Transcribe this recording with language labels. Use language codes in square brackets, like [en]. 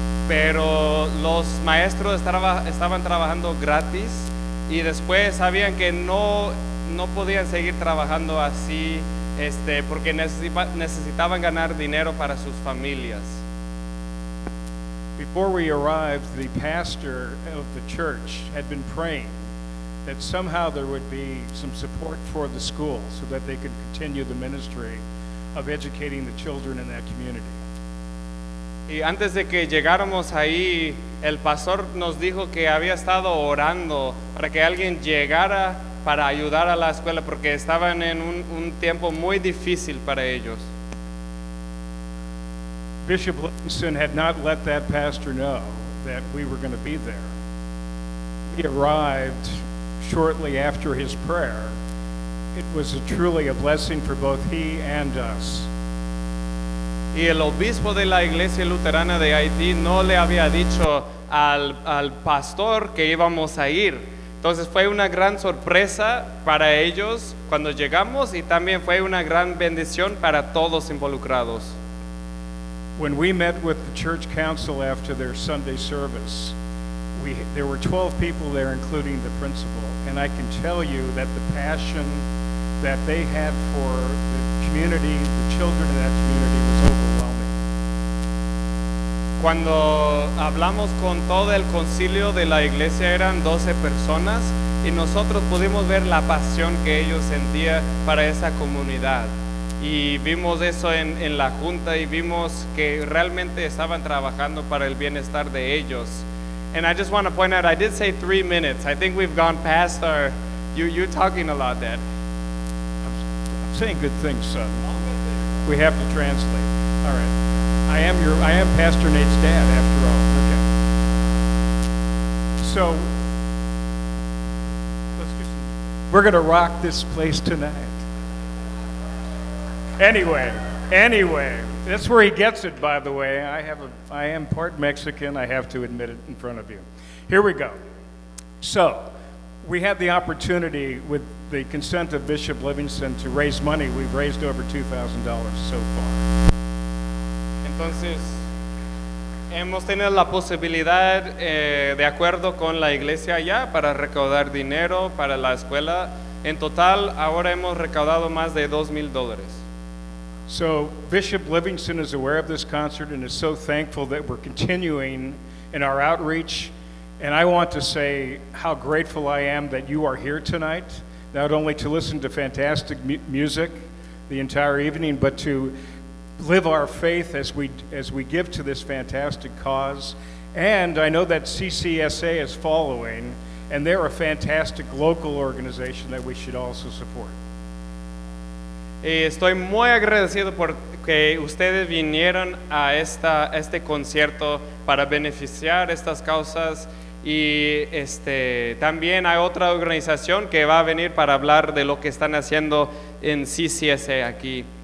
[es] pero los maestros estaban trabajando gratis y después sabían que no podían seguir trabajando así, porque necesitaban ganar dinero para sus familias. [en] Before we arrived, the pastor of the church had been praying that somehow there would be some support for the school so that they could continue the ministry of educating the children in that community. [es] Y antes de que llegáramos ahí, el pastor nos dijo que había estado orando para que alguien llegara para ayudar a la escuela porque estaban en un tiempo muy difícil para ellos. [en] Bishop Livingston had not let that pastor know that we were going to be there. We arrived shortly after his prayer. It was truly a blessing for both he and us. [es] Y el obispo de la iglesia luterana de Haití no le había dicho al pastor que íbamos a ir. Entonces fue una gran sorpresa para ellos cuando llegamos y también fue una gran bendición para todos involucrados. [en] When we met with the church council after their Sunday service, there were 12 people there, including the principal. And I can tell you that the passion that they had for the community, the children of that community, was overwhelming. [es] Cuando hablamos con todo el concilio de la iglesia, eran 12 personas, y nosotros pudimos ver la pasión que ellos sentían para esa comunidad. Y vimos eso en la junta y vimos que realmente estaban trabajando para el bienestar de ellos. [en] And I just want to point out, I did say 3 minutes. I think we've gone past our, you're talking a lot, Dad. I'm saying good things, son. We have to translate. All right. I am Pastor Nate's dad, after all. Okay. So, let's just, we're going to rock this place tonight. Anyway, that's where he gets it, by the way. I am part Mexican, I have to admit it in front of you. Here we go. So, we had the opportunity, with the consent of Bishop Livingston, to raise money. We've raised over $2,000 so far. [es] Entonces, hemos tenido la posibilidad, de acuerdo con la iglesia allá, para recaudar dinero para la escuela. En total, ahora hemos recaudado más de $2,000. [en] So Bishop Livingston is aware of this concert and is so thankful that we're continuing in our outreach. And I want to say how grateful I am that you are here tonight, not only to listen to fantastic music the entire evening, but to live our faith as we give to this fantastic cause. And I know that CCSA is following, and they're a fantastic local organization that we should also support. [es] Estoy muy agradecido por que ustedes vinieron a este concierto para beneficiar estas causas y también hay otra organización que va a venir para hablar de lo que están haciendo en CCSA aquí.